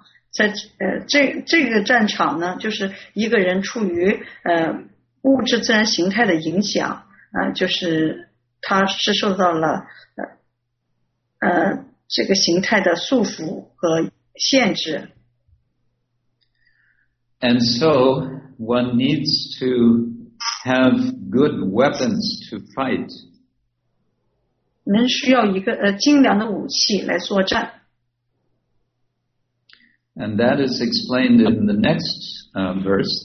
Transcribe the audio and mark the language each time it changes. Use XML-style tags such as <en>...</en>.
<zh>在这个战场呢，就是一个人处于物质自然形态的影响，就是他是受到了这个形态的束缚和限制。</zh> <en>And so one needs to have good weapons to fight.</en> <zh>人需要一个精良的武器来作战。</zh> <en>And that is explained in the next verse.</en>